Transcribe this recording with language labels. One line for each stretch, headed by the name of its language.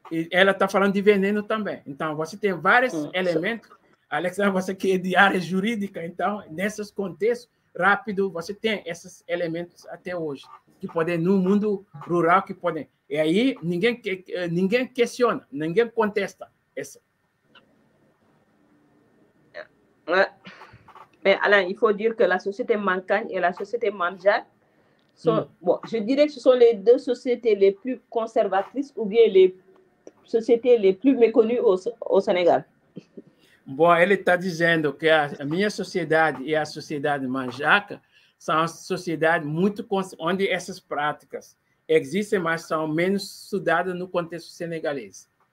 Portuguese: ela está falando de veneno também. Então, você tem vários elementos. Alexandre, você que é de área jurídica, então, nesses contextos, rápido, você tem esses elementos até hoje, que podem, no mundo rural, que podem. E aí, ninguém questiona, ninguém contesta essa.
French: Mas, Alain, il faut dire que la société Mankagne et la société Mandjar bon, je dirais que ce sont les deux sociétés les plus conservatrices ou bien les sociétés les plus méconnues au Sénégal.
Portuguese: Bon, ele está dizendo que a minha sociedade e a sociedade Manjaca são sociedades muito onde essas práticas existem, mas são menos estudadas no contexto senegalês.